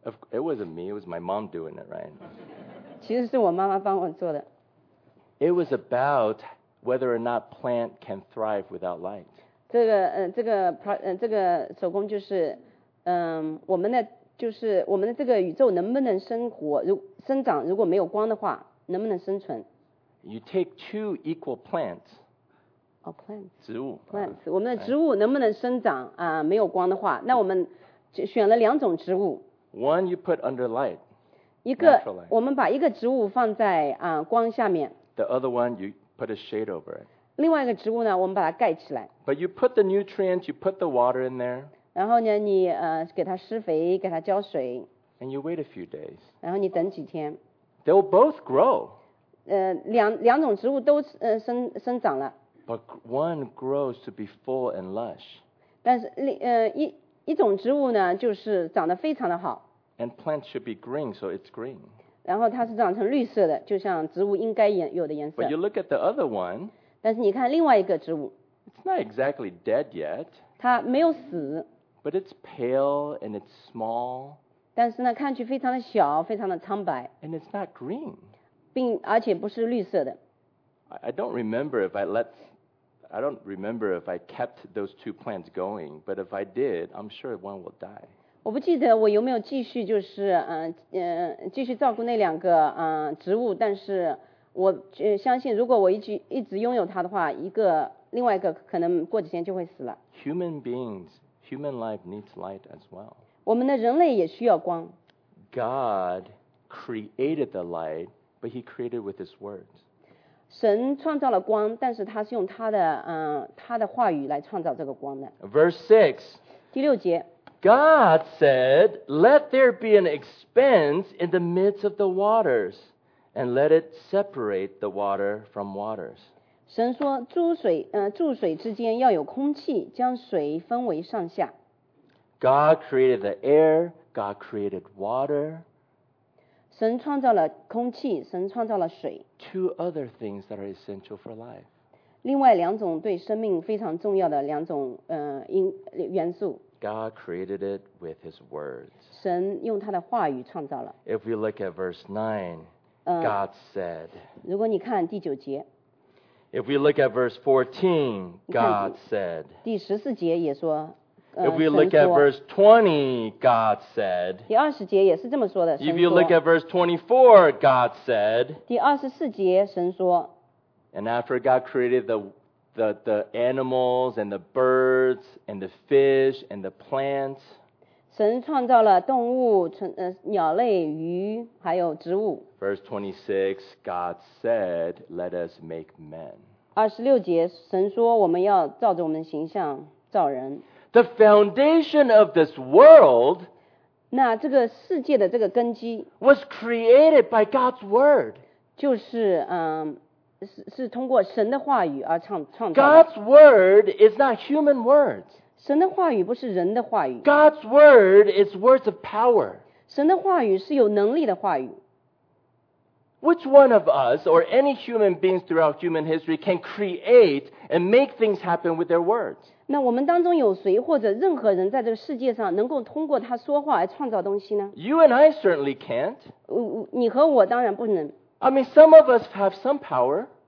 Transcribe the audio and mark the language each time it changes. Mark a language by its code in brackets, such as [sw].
[en] It wasn't me, it was my mom doing it, right? [zh] 其实是我妈妈帮我做的。 [en] It was about whether or not plant can thrive without light. [zh] 这个手工就是我们的就是我们的这个宇宙能不能生长，如果没有光的话能不能生存。 [en] You take two equal plants. Oh, plants. [zh] 植物。 [en] Plants. [zh] 我们的植物能不能生长啊？没有光的话，那我们选了两种植物。 [en] One you put under light. [zh] 一个，我们把一个植物放在光下面。 [en] The other one you put a shade over it. [zh] 另外一个植物呢，我们把它盖起来。 [en] But you put the nutrients, you put the water in there. [zh] 然后呢，你给它施肥，给它浇水。 [en] And you wait a few days. [zh] 然后你等几天。 [en] They will both grow. [zh] 两种植物都生长了。 [en] But one grows to be full and lush. [zh] 但是一种植物呢，就是长得非常的好。 [en] And plants should be green, so it's green. [zh] 然后它是长成绿色的，就像植物应该有的颜色。 [en] But you look at the other one. [zh] 但是你看另外一个植物。 [en] It's not exactly dead yet. [zh] 它没有死。 [en] But it's pale and it's small. [zh] 但是呢，看去非常的小，非常的苍白。 [en] And it's not green. [zh] 而且不是绿色的。 [en] I don't remember if I kept those two plants going, but if I did, I'm sure one will die. [zh] 我不记得我有没有继续就是继续照顾那两个植物，但是我相信如果我一直拥有它的话，另外一个可能过几天就会死了。 [en] Human beings, human life needs light as well. [zh] 我们的人类也需要光。 [en] God created the light, but He created with His words. [zh] 神创造了光，但是他是用他的话语来创造这个光的。 [en] Verse 6. [zh] 第六节。 [en] God said, "Let there be an expanse in the midst of the waters, and let it separate the water from waters." [zh] 神说，注水之间要有空气，将水分为上下。 [en] God created the air. God created water. [zh] 神创造了空气，神创造了水。 [en] Two other things that are essential for life. [zh] 另外两种对生命非常重要的两种元素。 [en] God created it with His words. [zh] 神用他的话语创造了。 [en] If we look at verse 9, God said. [zh] 如果你看第九节。 [en] If we look at verse 14, God said. [zh] 第十四节也说。 [en] If we look at verse 20, God said. [zh] 第二十节也是这么说的。 [en] If you look at verse 24, God said. [zh] 第二十四节神说。 [en] And after God created the animals and the birds and the fish and the plants. [zh] 神创造了动物、鸟类、鱼还有植物。 [en] Verse 26, God said, "Let us make men." [zh] 二十六节神说，我们要照着我们的形象造人。 [en] The foundation of this world [zh] 那这个世界的这个根基 [en] was created by God's word. [zh] 就是、是通过神的话语而创造 [en] God's word is not human words. [zh] 神的话语不是人的话语 [en] God's word is words of power. [zh] 神的话语是有能力的话语 [en] Which one of us or any human beings throughout human history can create and make things happen with their words? [zh] 那我们当中有谁或者任何人在这个世界上能够通过他说话来创造东西呢 [en] You and I certainly can't. [zh] 你和我当然不能 [en] I mean, some of us have some power.